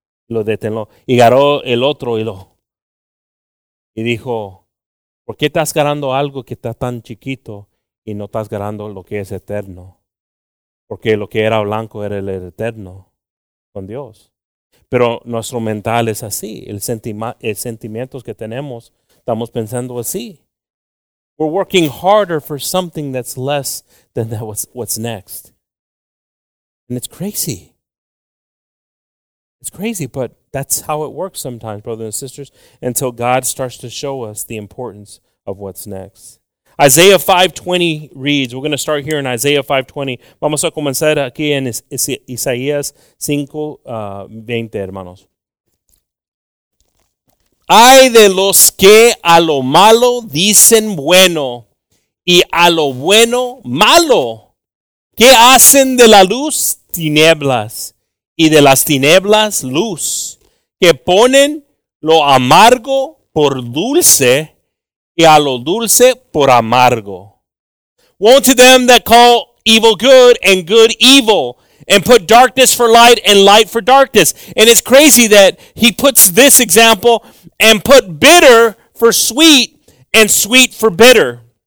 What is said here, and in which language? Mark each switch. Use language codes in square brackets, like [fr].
[es] Lo detenó y agarró el otro hilo y dijo, ¿por qué estás agarrando algo que está tan chiquito y no estás agarrando lo que es eterno? Porque lo que era blanco era el eterno con Dios. Pero nuestro mental es así, el sentimientos que tenemos, estamos pensando así. [en] We're working harder for something that's less than that what's next. And it's crazy. It's crazy, but that's how it works sometimes, brothers and sisters, until God starts to show us the importance of what's next. Isaiah 5:20 reads, we're going to start here in Isaiah 5:20. [es] Vamos a comenzar aquí en Isaías 5:20, hermanos. Ay de los que a lo malo dicen bueno, y a lo bueno malo, que hacen de la luz tinieblas. Y de las tinieblas, luz, que ponen lo amargo por dulce, y a lo dulce por amargo. [en] Woe to them that call evil good and good evil, and put darkness for light and light for darkness. And it's crazy that he puts this example, and put bitter for sweet and sweet for bitter.